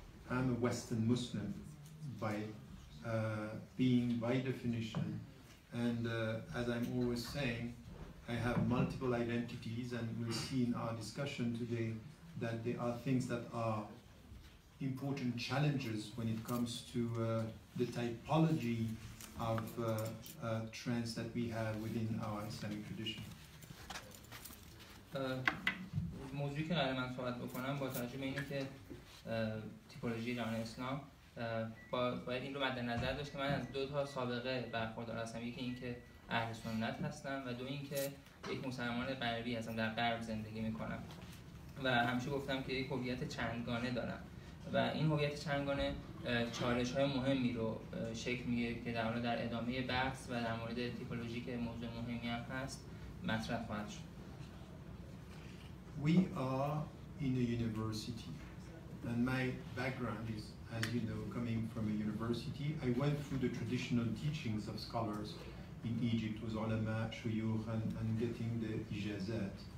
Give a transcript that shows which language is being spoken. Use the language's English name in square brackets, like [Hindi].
[English] I'm a Western Muslim by definition, and as I'm always saying, I have multiple identities, and we'll see in our discussion today that there are things that are important challenges when it comes to the typology of trends that we have within our Islamic tradition. [Persian] موضوعی که قرار من صحبت بکنم با توجه به اینه که تیپولوژی جهان اسلام باید این رو مد نظر داشت که من از دو تا سابقه برخوردار هستم، یکی اینکه اهل سنت هستم و دو اینکه یک مسلمان غربی هستم، در غرب زندگی میکنم و همیشه گفتم که یک هویت چندگانه دارم و این هویت چندگانه چالش‌های مهمی رو شکل می‌گیره که در حال در ادامه بحث و در مورد تیپولوژی که موضوع مهمی هم هست مطرح خواهد شد. [English] We are in a university and my background is, as you know, coming from a university. I went through the traditional teachings of scholars in Egypt with ulama, shuyukh and getting the ijazat.